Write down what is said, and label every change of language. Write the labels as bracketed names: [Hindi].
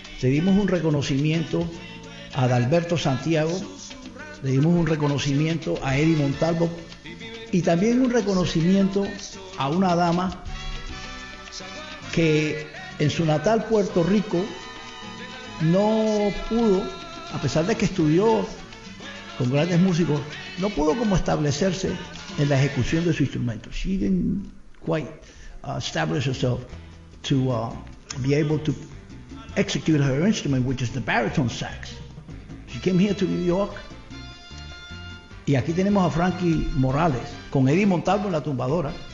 [Spanish] Le dimos un reconocimiento a Adalberto Santiago, le dimos un reconocimiento a Eddie Montalvo, y también un reconocimiento a una dama que en su natal Puerto Rico no pudo, a pesar de que estudió con grandes músicos, no pudo como establecerse en la ejecución de su instrumento. [English] She didn't quite establish herself to be able to execute her instrument, which is the baritone sax. She came here to New York. [Spanish] Y aquí tenemos a Frankie Morales con Eddie Montalvo en la tumbadora.